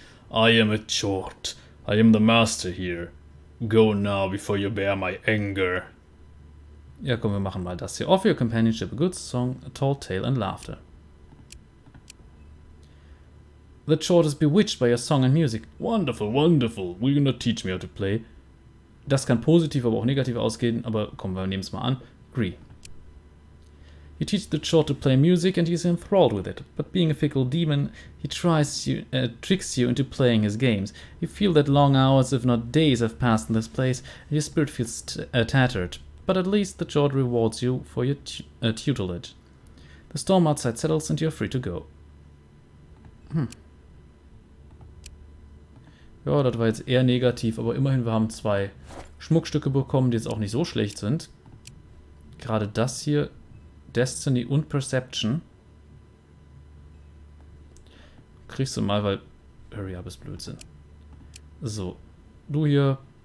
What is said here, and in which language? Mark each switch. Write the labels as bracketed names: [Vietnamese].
[English] I am a chort. I am the master here. Go now, before you bear my anger. [German] Ja, komm, wir machen mal das hier. [English] Offer your companionship a good song, a tall tale and laughter. The chort is bewitched by your song and music. Wonderful, wonderful. Will you not teach me how to play? [German] Das kann positiv, aber auch negativ ausgehen, aber komm, wir nehmen es mal an. [English] Agree. You teach the chort to play music and he's enthralled with it. But being a fickle demon, he tricks you into playing his games. You feel that long hours, if not days, have passed in this place and your spirit feels tattered. But at least the chort rewards you for your tutelage. The storm outside settles and you're free to go. [German] Ja, das war jetzt eher negativ, aber immerhin, wir haben zwei Schmuckstücke bekommen, die jetzt auch nicht so schlecht sind. Gerade das hier. Destiny und Perception. Kriegst du mal, weil Hurry Up ist Blödsinn. So, du hier.